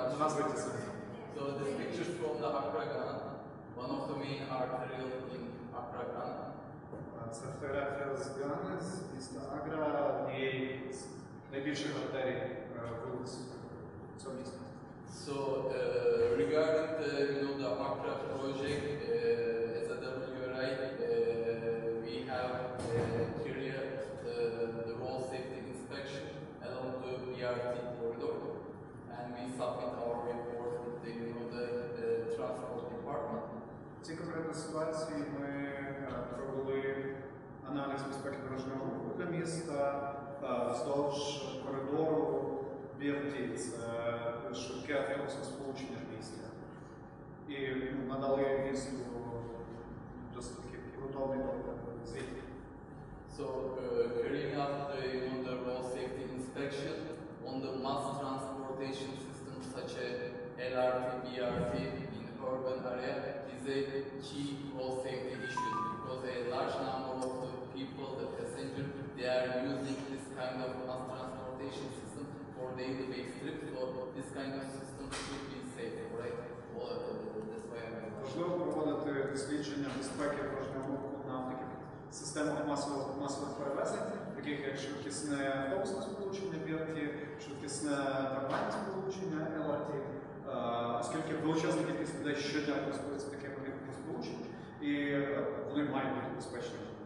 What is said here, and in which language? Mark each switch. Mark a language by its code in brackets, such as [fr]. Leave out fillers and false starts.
[en] from the Accra Grand, one of the main arterial in Accra Grand. [uk] Це фотографія з Гани, з міста Агра, однієї з найбільших артерій вулиці цього міста. [en] So, regarding the, you know, the Accra project, as a WRI, we have criteria, the road safety inspection along the BRT corridor, and we submit our report with the, you know, the transport department. [uk] В цій конкретній ситуації ми провели аналіз безпеки дорожнього руху для міста вздовж коридору BRT, це швидке автобусне сполучення в місті. І надали місту достатньо готовий до звіт. [en] So, carrying out the, you know, the road safety inspection on the mass transportation system such as LRT, BRT in urban area, a key road safety issue because a large number of the people, the passengers, they are using this kind of mass transportation system for daily trips, so this kind of system should be safe, right? Well, that's why I'm going to ask. [uk] Можливо проводити дослідження безпеки дорожнього руху на таких системах масових перевезень, таких як швидкісне автобусне сполучення BRT, швидкісне трамвайне сполучення LRT, оскільки величезна кількість людей щодня користується таким великим сполученням, і вони мають бути безпечні.